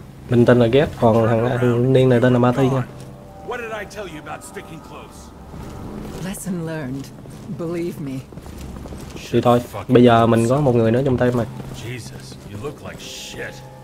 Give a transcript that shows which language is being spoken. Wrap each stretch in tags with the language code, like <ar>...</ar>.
<vi>Mình tên là Get, còn thằng niên này tên là Marty nha.</vi> <en>What did I tell you about sticking close? Lesson learned. Believe me.</en> <vi>Thì thôi, bây giờ mình có một người nữa trong tay mà.</vi> <en>Jesus, you look like shit.</en>